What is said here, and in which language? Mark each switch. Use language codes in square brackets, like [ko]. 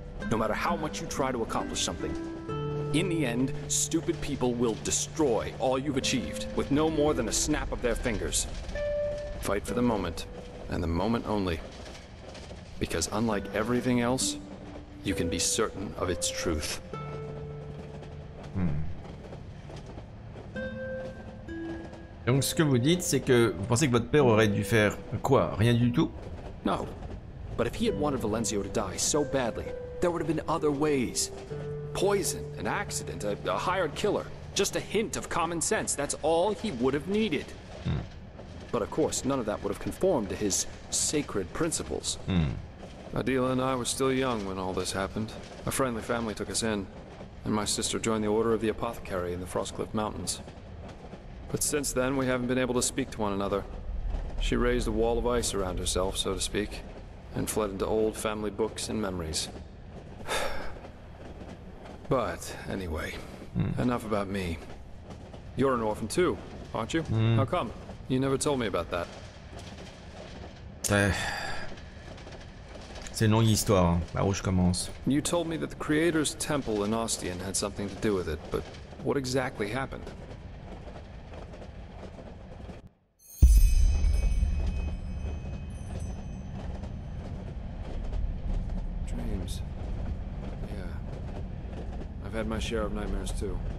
[en] No matter how much you try to accomplish something, in the end, stupid people will destroy all you've achieved with no more than a snap of their fingers. Fight for the moment, and the moment only. Because unlike everything else, you can be certain of its truth. Hmm. [fr] Donc ce que vous dites, c'est que vous pensez que votre père aurait dû faire quoi? Rien du tout? [en] No. But if he had wanted Valenzio to die so badly, there would have been other ways. Poison, an accident, a hired killer. Just a hint of common sense, that's all he would have needed. Hmm. But of course, none of that would have conformed to his sacred principles. Hmm. Adela and I were still young when all this happened. A friendly family took us in, and my sister joined the Order of the Apothecary in the Frostcliff Mountains. But since then, we haven't been able to speak to one another. She raised a wall of ice around herself, so to speak, and fled into old family books and memories. But anyway, enough about me. You're an orphan too, aren't you? Mm. How come? You never told me about that. [fr] C'est une longue histoire, par où je commence. [en] You told me that the Creator's Temple in Ostian had something to do with it, but what exactly happened? Dreams. Yeah. I've had my share of nightmares too.